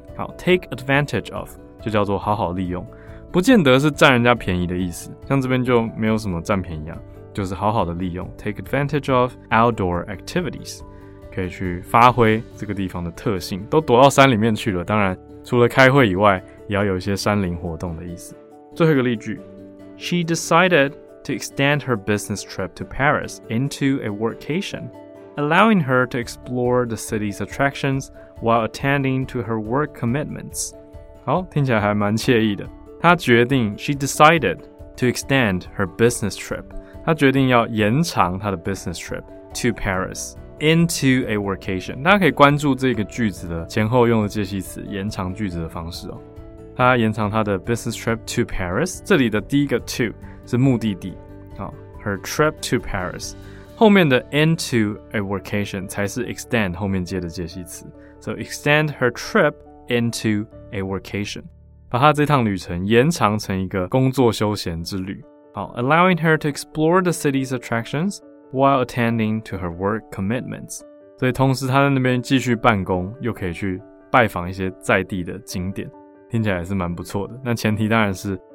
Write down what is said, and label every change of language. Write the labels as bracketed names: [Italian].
[Chinese] 好， [English] take advantage of [Chinese] 就叫做好好利用，不见得是占人家便宜的意思，像这边就没有什么占便宜啊，就是好好的利用 [English] take advantage of outdoor activities， [Chinese] 可以去发挥这个地方的特性，都躲到山里面去了，当然除了开会以外也要有一些山林活动的意思。最后一个例句， [English] She decidedto extend her business trip to Paris into a workation, allowing her to explore the city's attractions while attending to her work commitments. [Chinese] 好，听起来还蛮惬意的。她决定 [English] ，she decided to extend her business trip. [Chinese] 她决定要延长她的 [English] business trip to Paris into a workation. [Chinese] 大家可以关注这个句子的前后用的介系词，延长句子的方式哦。她延长她的 [English] business trip to Paris. [Chinese] 这里的第一个 to。是目的地，好 ， [English] her trip to Paris， [Chinese] 后面的 [English] into a workation [Chinese] 才是 extend 后面接的介系词 ， [English] so extend her trip into a workation， [Chinese] 把她这趟旅程延长成一个工作休闲之旅，好 ， [English] allowing her to explore the city's attractions while attending to her work commitments， [Chinese] 所以同时她在那边继续办公，又可以去拜访一些在地的景点，听起来还是蛮不错的，那前提当然是